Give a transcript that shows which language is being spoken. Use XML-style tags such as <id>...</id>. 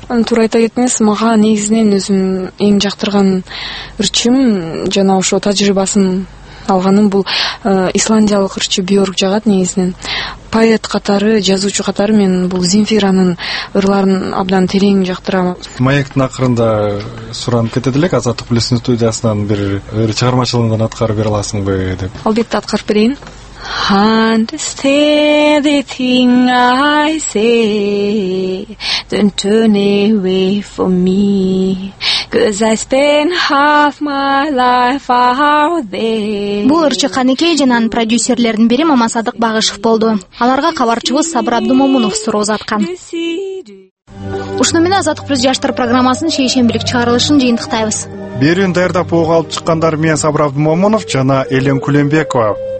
<ky>Аны туура айта кетмес, мага негизинен өзүм эң жактырган ырчым жана ошо тажрыйбасын алганым бул исландиялык ырчы Бьорк жагат негизинен. Поэт катары, жазуучу катары мен бул Земфиранын ырларын абдан терең жактырам. Маектин акырында суранып кетет элек, Азаттык Плюстун студиясынан бир ыр чыгармачылыгын аткарып бере аласыңбы деп. Албетте аткарып берейин.</ky> <en>Understand the thing I say, don't turn away from me, 'cause I spend half my life out there.</en> <ky>Бул ырчы Каныкей жана анын продюсерлердин бири Мамасадык Багышев болду. Аларга кабарчыбыз Сабыр Абдымомунов суроо узаткан. Ушуну менен Азаттык Плюс жаштар программасынын шейшембилик чыгарылышын жыйынтыктайбыз. Берүүнү даярдап ого алып чыккандар мен Сабыр Абдымомунов жана Элен Күлөнбекова.</ky>